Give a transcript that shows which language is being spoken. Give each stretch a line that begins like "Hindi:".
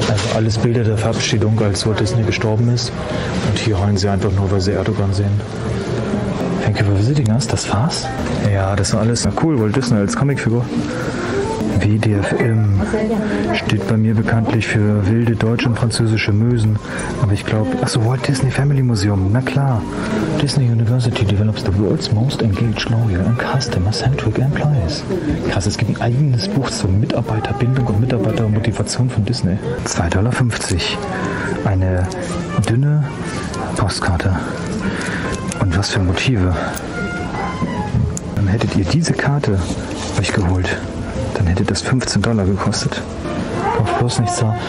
German: Also alles Bilder der Verabschiedung, als Walt Disney gestorben ist. Und hier heulen sie einfach nur, weil sie Erdogan sehen.
English: Thank you for visiting us,
German: das war's? Ja, das war alles. Na cool, Walt Disney als Comicfigur. WDFM steht bei mir bekanntlich für wilde deutsche und französische Mösen. Aber ich glaube, achso, Walt Disney Family Museum, na klar.
English: Disney University develops the world's most engaged lawyer and customer-centric employees.
German: Krass, es gibt ein eigenes Buch zur Mitarbeiterbindung und Mitarbeitermotivation von Disney. $2.50. Eine dünne Postkarte. Und was für Motive. Dann hättet ihr diese Karte euch geholt. Dann hätte das $15 gekostet. Kauf bloß nichts da.